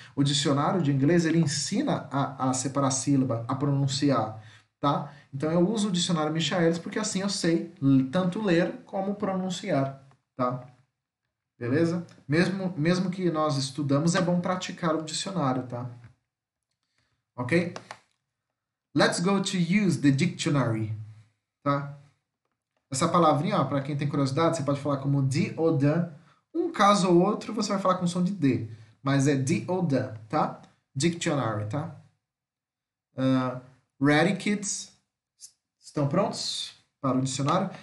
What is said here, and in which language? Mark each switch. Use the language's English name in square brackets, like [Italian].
[Portuguese] O dicionário de inglês, ele ensina a separar sílaba, a pronunciar, tá? Então, eu uso o dicionário Michaelis porque assim eu sei tanto ler como pronunciar, tá? Beleza? Mesmo que nós estudamos, é bom praticar o dicionário, tá? Ok? [English] Let's go to use the dictionary, tá? [Portuguese] Essa palavrinha, ó, para quem tem curiosidade, você pode falar como de ou dan. Um caso ou outro, você vai falar com som de D, mas é de ou dan, tá? Dictionary, tá? [English] Ready, kids? [Portuguese] Estão prontos para o dicionário?